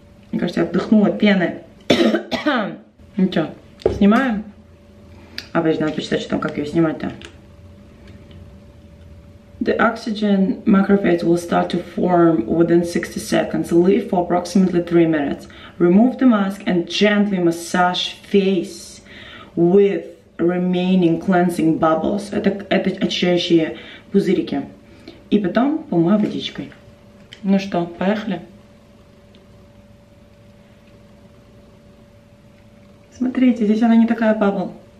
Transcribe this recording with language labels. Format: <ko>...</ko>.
<ru>Мне кажется, я вдохнула пены. Ну что, снимаем? А, подожди, надо почитать, что там, как ее снимать-то.</ru> <en>The oxygen macrophage will start to form within 60 seconds. Leave for approximately 3 minutes. Remove the mask and gently massage face with remaining cleansing bubbles.</en> <ru>Это очищающие пузырики. И потом помою водичкой. Ну что, поехали? Смотрите, здесь она не такая бабл.</ru>